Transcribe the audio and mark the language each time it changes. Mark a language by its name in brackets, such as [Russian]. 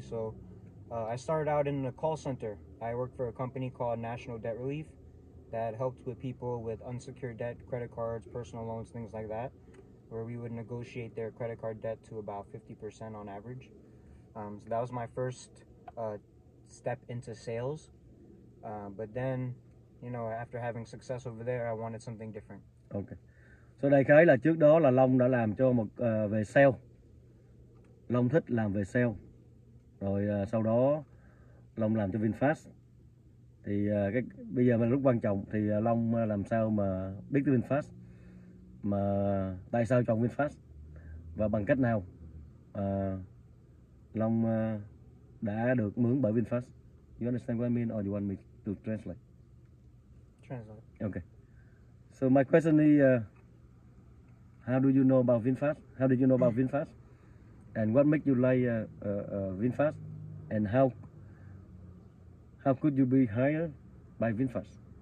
[English] So I started out in a call center. I worked for a company called National Debt Relief that helped with people with unsecured debt, credit cards, personal loans, things like that, where we would negotiate their credit card debt to about 50% on average. So that was my first step into sales. But then, you know, after having success over there, I wanted something different. Okay. [Vietnamese] So đại khái là trước đó là Long đã làm cho một về sale. Long thích làm về sale. Rồi sau đó Long làm cho VinFast. Thì cái bây giờ mình lúc quan trọng thì Long làm sao mà biết tới VinFast. mà tại sao chọn VinFast và bằng cách nào Long đã được mướn bởi VinFast. [English] You understand what I mean or you want me to translate? Translate. Okay. So my question is, how do you know about VinFast? How did you know about VinFast? And what make you like VinFast? And how could you be hired by VinFast?